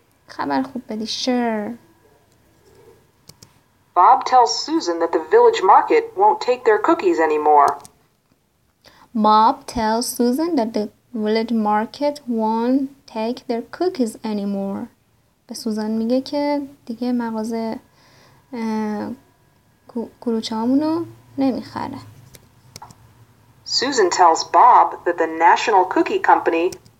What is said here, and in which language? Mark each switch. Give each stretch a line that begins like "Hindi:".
Persian: خبر خوب بدی. Share.
English: Bob tells Susan that the village market won't take their cookies anymore. Bob tells Susan that the village market won't take their cookies anymore.
Persian: به سوزان میگه که دیگه مغازه کلوچه‌هامونو نمیخره.
English: Susan tells Bob that the National Cookie Company